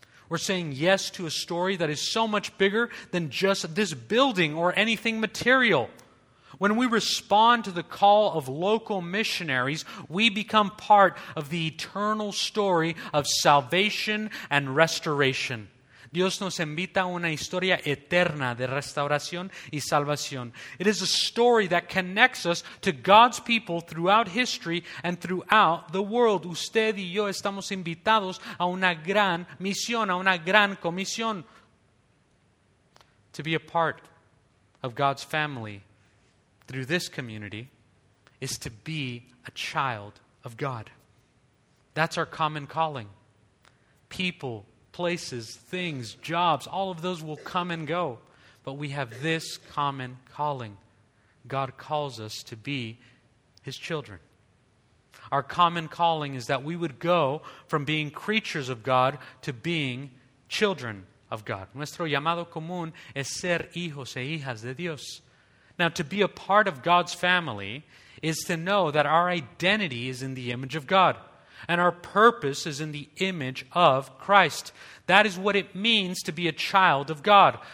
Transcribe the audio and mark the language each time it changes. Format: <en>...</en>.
<en>We're saying yes to a story that is so much bigger than just this building or anything material. When we respond to the call of local missionaries, we become part of the eternal story of salvation and restoration.</en> <es>Dios nos invita a una historia eterna de restauración y salvación.</es> <en>It is a story that connects us to God's people throughout history and throughout the world.</en> <es>Usted y yo estamos invitados a una gran misión, a una gran comisión.</es> <en>To be a part of God's family through this community is to be a child of God. That's our common calling. People, places, things, jobs, all of those will come and go. But we have this common calling. God calls us to be His children. Our common calling is that we would go from being creatures of God to being children of God.</en> <es>Nuestro llamado común es ser hijos e hijas de Dios.</es> <en>Now, to be a part of God's family is to know that our identity is in the image of God and our purpose is in the image of Christ. That is what it means to be a child of God.</en>